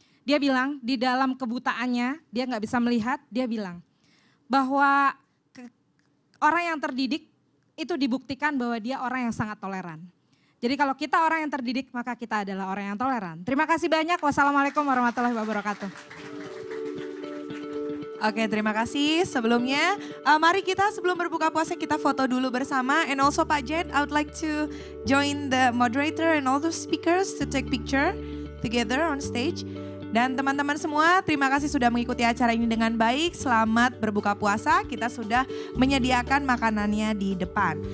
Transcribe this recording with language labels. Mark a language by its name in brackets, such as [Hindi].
[Indonesian] Dia bilang, di dalam kebutaannya, dia gak bisa melihat, dia bilang bahwa orang yang terdidik itu dibuktikan bahwa dia orang yang sangat toleran. Jadi kalau kita orang yang terdidik, maka kita adalah orang yang toleran. Terima kasih banyak. Wassalamualaikum warahmatullahi wabarakatuh. Oke, terima kasih. Sebelumnya, mari kita sebelum berbuka puasa kita foto dulu bersama. [English] And also Pak Jed, I would like to join the moderator and all the speakers to take picture together on stage. [Indonesian] Dan teman-teman semua, terima kasih sudah mengikuti acara ini dengan baik. Selamat berbuka puasa, kita sudah menyediakan makanannya di depan.